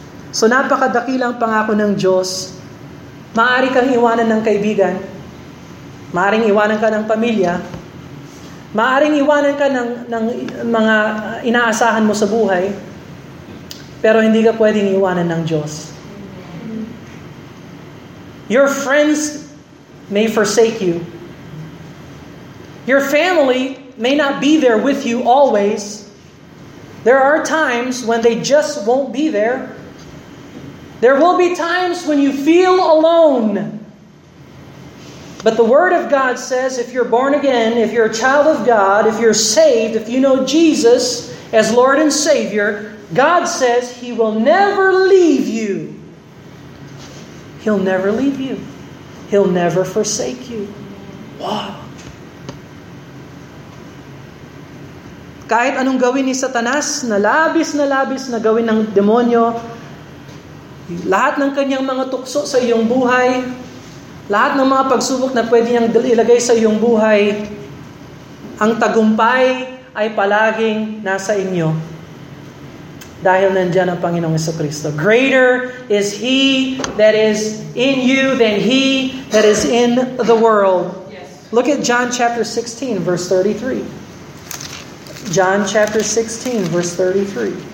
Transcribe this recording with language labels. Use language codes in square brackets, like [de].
[tl] So napakadakilang pangako ng Diyos. Maari kang iwanan ng kaibigan, maaring iwanan ka ng pamilya, maaring iwanan ka ng mga inaasahan mo sa buhay, pero hindi ka pwedeng iwanan ng Diyos. [en] Your friends may forsake you. Your family may not be there with you always. There are times when they just won't be there. There will be times when you feel alone. But the Word of God says if you're born again, if you're a child of God, if you're saved, if you know Jesus as Lord and Savior, God says He will never leave you. He'll never leave you. He'll never forsake you. Wow. [tl] Kahit anong gawin ni Satanas, na labis na gawin ng demonyo, lahat ng kanyang mga tukso sa iyong buhay, lahat ng mga pagsubok na pwede niyang ilagay sa iyong buhay, ang tagumpay ay palaging nasa inyo. Dahil nandiyan ang Panginoong Jesucristo. [en] Greater is He that is in you than He that is in the world. Yes. Look at John chapter 16, verse 33. John chapter 16, verse 33.